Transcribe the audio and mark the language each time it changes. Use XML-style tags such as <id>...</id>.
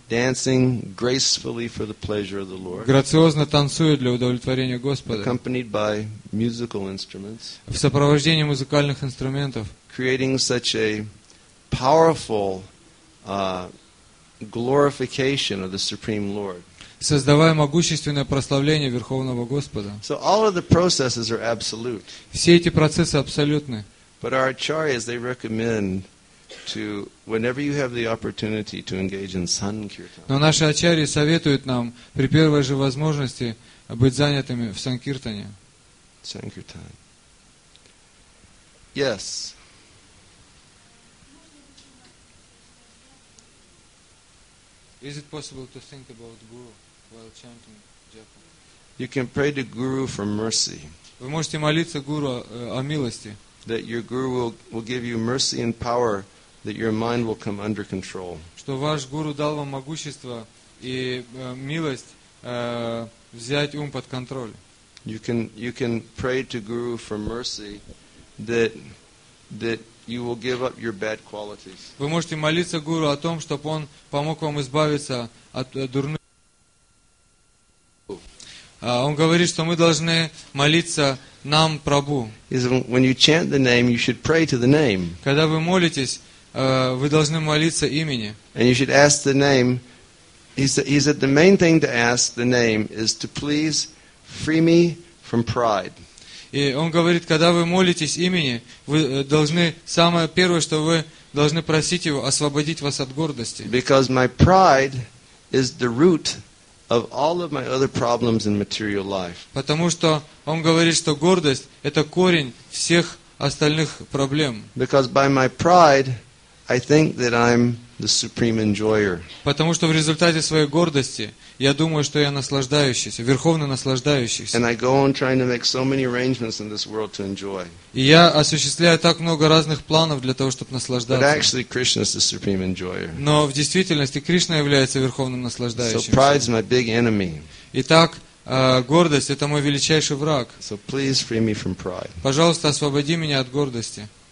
<en>dancing gracefully for the pleasure of the Lord,</en> <ru>грациозно танцуя для удовлетворения Господа,</ru> <en>accompanied by musical instruments,</en> <ru>в сопровождении музыкальных инструментов,</ru> <en>creating such a powerful glorification of the Supreme Lord,</en> <ru>создавая могущественное прославление Верховного Господа.</ru> <en>So all of the processes are absolute.</en> <ru>Все эти процессы абсолютны.</ru> <en>But our acharyas, they recommend to whenever you have the opportunity to engage in sankirtan.</en> <ru>Но наши ачарьи советуют нам при первой же возможности быть занятыми в санкиртане.</ru> <en>Sankirtan. Yes. Is it possible to think about guru while chanting japa? You can pray to guru for mercy.</en> <ru>Вы можете молиться гуру о милости.</ru> <en>That your guru will give you mercy and power. That your mind will come under control.</en> <ru>Что ваш гуру дал вам могущество и милость, взять ум под контроль.</ru> <en>You can pray to Guru for mercy that you will give up your bad qualities.</en> <ru>Вы можете молиться Гуру о том, чтобы он помог вам избавиться от дурных. Он говорит, что мы должны молиться нам Прабху. Когда вы молитесь, вы должны молиться имени.</ru> <en>And you should ask the name. He said the main thing to ask the name is to please free me from pride.</en> <ru>И он говорит, когда вы молитесь имени, вы должны, самое первое, что вы должны просить его, освободить вас от гордости.</ru> <en>Because my pride is the root of all of my other problems in material life.</en> <ru>Потому что он говорит, что гордость это корень всех остальных проблем.</ru> <en>Because by my pride I think that I'm the supreme enjoyer.</en> <ru>Потому что в результате своей гордости я думаю, что я наслаждающийся, верховно наслаждающийся.</ru> <en>And I go on trying to make so many arrangements in this world to enjoy.</en> <ru>И я осуществляю так много разных планов для того, чтобы наслаждаться.</ru> <en>But actually Krishna is the supreme enjoyer.</en> <ru>Но в действительности Кришна является верховным наслаждающимся.</ru> <en>So pride is my big enemy.</en> <ru>Итак, гордость это мой величайший враг.</ru> <en>So please free me from pride.</en> <ru>Пожалуйста, освободи меня от гордости.</ru>